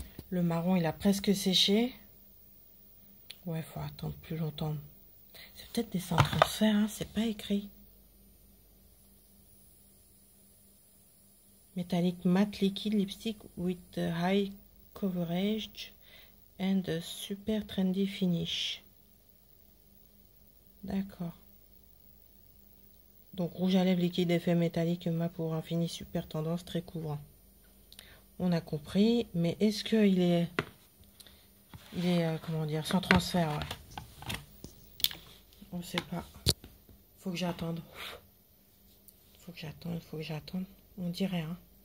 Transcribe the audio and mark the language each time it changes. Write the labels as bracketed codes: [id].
[fr] Le marron, il a presque séché. Ouais, faut attendre plus longtemps. C'est peut-être des sans transfert, hein, c'est pas écrit. [en] Metallic matte liquide lipstick with high coverage and a super trendy finish. [fr] D'accord. Donc rouge à lèvres liquide effet métallique mat pour un fini super tendance très couvrant. On a compris, mais est-ce que il est comment dire sans transfert, ouais. On sait pas. Faut que j'attende. Faut que j'attende, faut que j'attende. On dirait, hein.